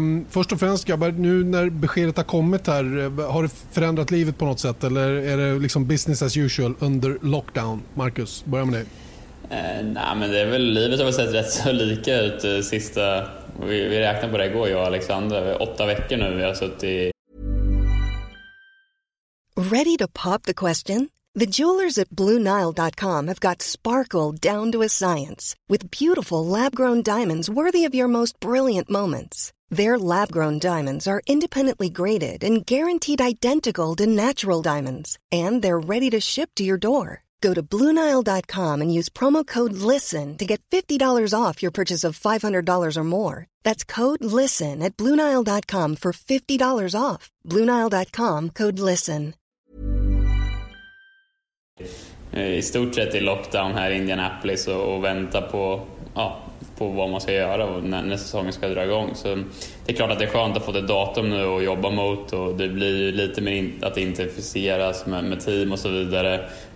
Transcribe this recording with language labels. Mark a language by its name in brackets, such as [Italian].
[Swedish] Först och främst, grabbar, nu när beskedet har kommit här, har det förändrat livet på något sätt eller är det liksom [English] business as usual [Swedish] under lockdown? Marcus, börja med dig. Nej, men det är väl, livet har väl sett rätt så lika ut sista, vi räknade på det igår, jag och Alexandra, 8 veckor nu vi har suttit. [English] Ready to pop the question? The jewelers at BlueNile.com have got sparkle down to a science with beautiful lab-grown diamonds worthy of your most brilliant moments. Their lab-grown diamonds are independently graded and guaranteed identical to natural diamonds, and they're ready to ship to your door. Go to BlueNile.com and use promo code LISTEN to get $50 off your purchase of $500 or more. That's code LISTEN at BlueNile.com for $50 off. BlueNile.com, code LISTEN. [Swedish] I stort sett i lockdown här i Indianapolis och vänta på, ja, på vad man ska göra när säsongen ska dra igång. Så det är klart att det är skönt att få det datum nu och jobba mot, och det blir ju lite mer att identifieras med team och så vidare.